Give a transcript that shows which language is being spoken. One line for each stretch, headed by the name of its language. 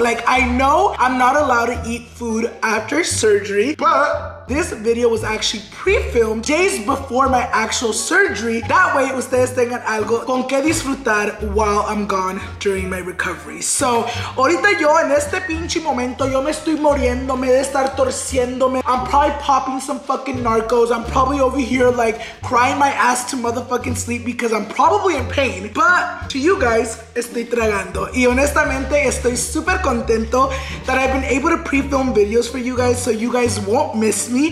English: Like, I know I'm not allowed to eat food after surgery, but this video was actually pre-filmed days before my actual surgery. That way,
Spanish: ustedes tengan algo con que disfrutar
English: while I'm gone during my recovery.
Spanish: So, ahorita yo, en este pinche momento, yo me estoy muriéndome de estar torciéndome.
English: I'm probably popping some fucking narcos. I'm probably over here, like, crying my ass to motherfucking sleep because I'm probably in pain. But, to you guys,
Spanish: estoy tragando. Y honestamente, estoy super contento
English: that I've been able to pre-film videos for you guys so you guys won't miss me.